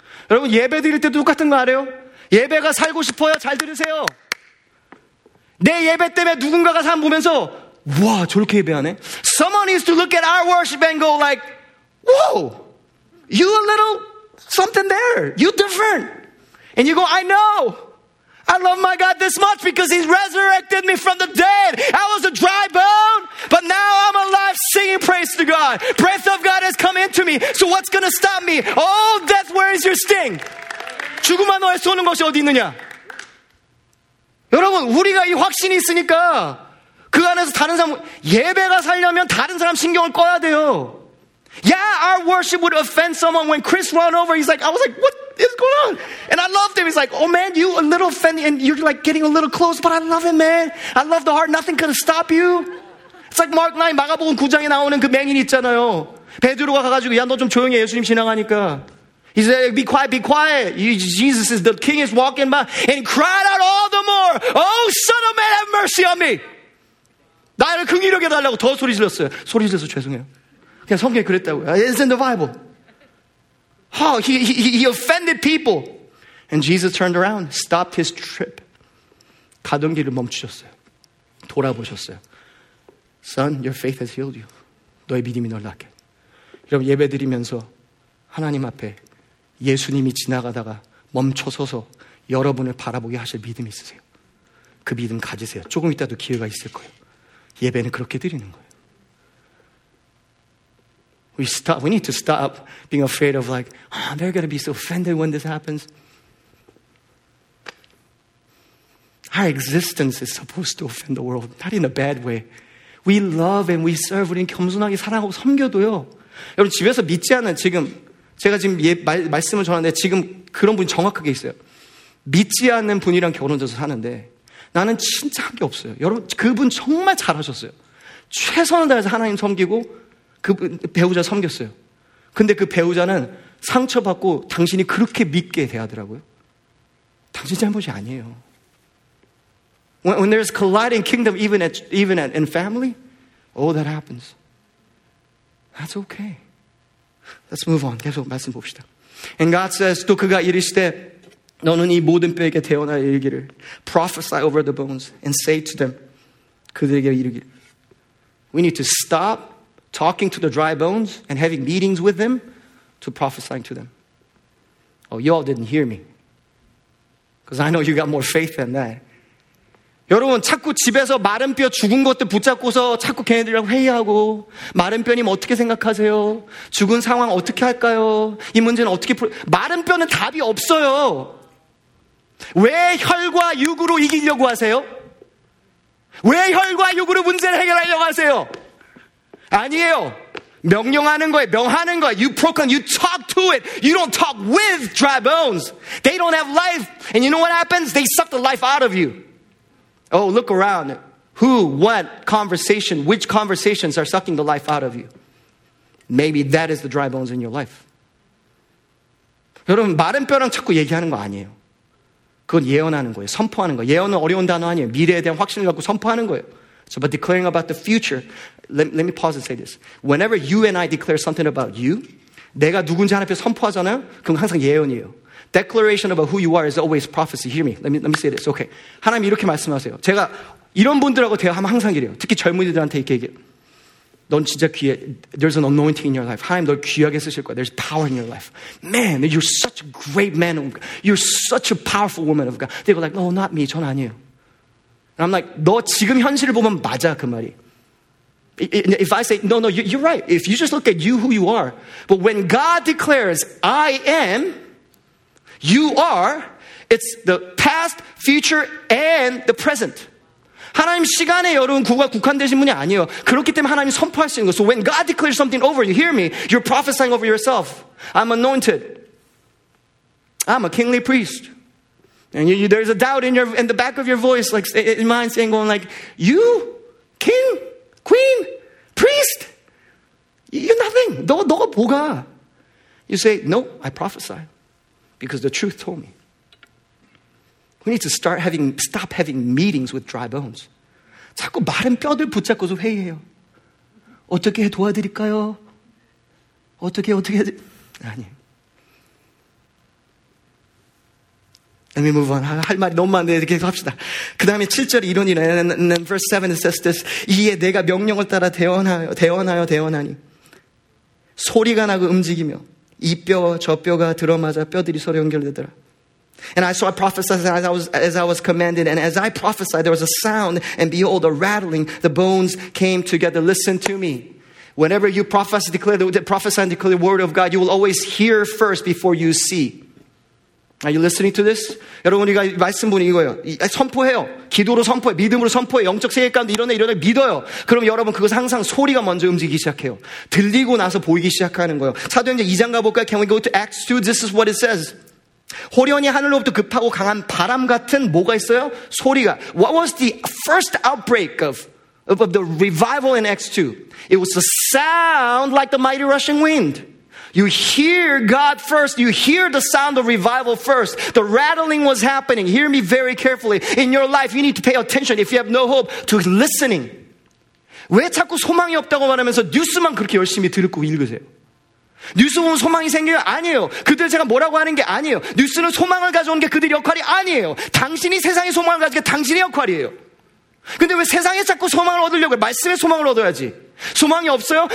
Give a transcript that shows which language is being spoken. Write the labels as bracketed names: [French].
[Korean] 여러분, 예배 드릴 때도 똑같은 거 알아요? 예배가 살고 싶어요? 잘 들으세요. 내 예배 때문에 누군가가 사람 보면서, 와, 저렇게 예배하네? [English] Someone needs to look at our worship and go like, whoa, you a little something there. You different. And you go, I know, I love my God this much because he's resurrected me from the dead. I was a dry bone, but now I'm alive singing praise to God. Breath of God has come into me, so what's going to stop me? Oh, death, where is your sting? [Korean] 죽음아 너의 쏘는 것이 어디 있느냐? 여러분, 우리가 이 확신이 있으니까 그 안에서 다른 사람, 예배가 살려면 다른 사람 신경을 꺼야 돼요. [English] Yeah, our worship would offend someone when Chris ran over. He's like, I was like, what is going on? And I loved him. He's like, oh man, you a little offended and you're like getting a little close, but I love him, man. I love the heart. Nothing can stop you. It's like Mark 9, [Korean] 마가복음 9장에 나오는 그 맹인 있잖아요. 베드로가 가가지고, 야, 너 좀 조용히 해. 예수님 신앙하니까. [English] He said, be quiet, be quiet. Jesus is the king is walking by and cried out all the more. Oh, son of man, have mercy on me. [Korean] 나를 큰 기력에 달라고 더 소리 질렀어요. 소리 질러서 죄송해요. 그냥 성경에 그랬다고요. [English] It's in the Bible. Oh, he offended people. And Jesus turned around, stopped his trip. [Korean] 가던 길을 멈추셨어요. 돌아보셨어요. [English] Son, your faith has healed you. [Korean] 너의 믿음이 널 낫게. 여러분, 예배 드리면서 하나님 앞에 예수님이 지나가다가 멈춰서서 여러분을 바라보게 하실 믿음이 있으세요. 그 믿음 가지세요. 조금 이따도 기회가 있을 거예요. 예배는 그렇게 드리는 거예요. [English] We need to stop being afraid of like, oh, they're going to be so offended when this happens. Our existence is supposed to offend the world, not in a bad way. We love and we serve. [Korean] 우리는 겸손하게 사랑하고 섬겨도요. 여러분 집에서 믿지 않는 지금 제가 지금 말씀을 전하는데 지금 그런 분 정확하게 있어요. 믿지 않는 분이랑 결혼해서 사는데 나는 진짜 한 게 없어요. 여러분 그분 정말 잘하셨어요. 최선을 다해서 하나님 섬기고 그 배우자 섬겼어요. 근데 그 배우자는 상처받고 당신이 그렇게 믿게 대하더라고요. 당신 잘못이 아니에요. [English] When there's colliding kingdom, even at in family, all that happens. That's okay. Let's move on. [Korean] 계속 말씀 봅시다. [English] And God says, [Korean] 또 그가 이르시되, 너는 이 모든 뼈에게 태어나야 이르기를. [English] Prophesy over the bones and say to them, [Korean] 그들에게 이르기를. [English] We need to stop talking to the dry bones and having meetings with them to prophesying to them. Oh, you all didn't hear me. Because I know you got more faith than that. [Korean] 여러분 자꾸 집에서 마른 뼈 죽은 것들 붙잡고서 자꾸 걔네들이랑 회의하고 마른 뼈님 어떻게 생각하세요? 죽은 상황 어떻게 할까요? 이 문제는 어떻게 마른 뼈는 답이 없어요. 왜 혈과 육으로 이기려고 하세요? 왜 혈과 육으로 문제를 해결하려고 하세요? 아니에요. 명령하는 거예요. 명하는 거예요. [English] You proclaim, you talk to it. You don't talk with dry bones. They don't have life. And you know what happens? They suck the life out of you. Oh, look around. Who, what, conversation, which conversations are sucking the life out of you? Maybe that is the dry bones in your life. [Korean] 여러분, 마른 뼈랑 자꾸 얘기하는 거 아니에요. 그건 예언하는 거예요. 선포하는 거예요. 예언은 어려운 단어 아니에요. 미래에 대한 확신을 갖고 선포하는 거예요. [English] So, but declaring about the future, let me pause and say this. Whenever you and I declare something about you, [Korean] 내가 누군지 하나 앞에 선포하잖아요? 그건 항상 예언이에요. [English] Declaration about who you are is always prophecy. Hear me. Let me say this. Okay. [Korean] 하나님 이렇게 말씀하세요. 제가 이런 분들하고 대화하면 항상 이래요. 특히 젊은이들한테 이렇게 얘기해요. 넌 진짜 귀해. [English] There's an anointing in your life. [Korean] 하나님 널 귀하게 쓰실 거야. [English] There's power in your life. Man, you're such a great man of God. You're such a powerful woman of God. They were like, no, not me. [Korean] 전 아니에요. [English] And I'm like, [Korean] 너 지금 현실을 보면 맞아, 그 말이. [English] If I say, no, you're right. If you just look at you, who you are. But when God declares, I am... You are, it's the past, future, and the present. [Korean] 하나님 시간에 여러분 그가 국한되신 분이 아니에요. 그렇기 때문에 하나님이 선포하시는 거예요. [English] So when God declares something over you, hear me, you're prophesying over yourself. I'm anointed. I'm a kingly priest. And you, there's a doubt in the back of your voice, like in mind saying, going like, you, king, queen, priest, you're nothing. [Korean] 너 뭐가? [English] You say, no, I prophesy. Because the truth told me. We need to stop having meetings with dry bones. [Korean] 자꾸 마른 뼈들 붙잡고서 회의해요. 어떻게 도와드릴까요? 어떻게 아니. [English] Let me move on. [Korean] 할 말이 너무 많은데 계속 합시다. 그 다음에 7절이 이런 일이에요. [English] And then verse 7 it says this. [Korean] 이에 내가 명령을 따라 대원하니. 소리가 나고 움직이며. 이 뼈와 저 뼈가 들어맞아 뼈들이 서로 연결되더라. [English] And I saw a prophesy as I was commanded, and as I prophesied, there was a sound, and behold, a rattling. The bones came together. Listen to me. Whenever you prophesy and declare the word of God, you will always hear first before you see. Are you listening to this? [Korean] 여러분, 우리가 말씀 보니 이거예요. 선포해요. 기도로 선포해. 믿음으로 선포해. 영적 세계 가운데 이러네. 믿어요. 그럼 여러분, 그것 항상 소리가 먼저 움직이기 시작해요. 들리고 나서 보이기 시작하는 거예요. 사도행전 2장 가볼까요? [English] Can we go to Acts 2? This is what it says. [Korean] 호련이 하늘로부터 급하고 강한 바람 같은 뭐가 있어요? 소리가. [English] What was the first outbreak of the revival in Acts 2? It was the sound like the mighty rushing wind. You hear God first. You hear the sound of revival first. The rattling was happening. Hear me very carefully. In your life, you need to pay attention if you have no hope to listening. [Korean] 왜 자꾸 소망이 없다고 말하면서 뉴스만 그렇게 열심히 듣고 읽으세요? 뉴스 보면 소망이 생겨요? 아니에요. 그들 제가 뭐라고 하는 게 아니에요. 뉴스는 소망을 가져온 게 그들의 역할이 아니에요. 당신이 세상에 소망을 가진 게 당신의 역할이에요. 근데 왜 세상에 자꾸 소망을 얻으려고 해요? 말씀에 소망을 얻어야지. 소망이 없어요?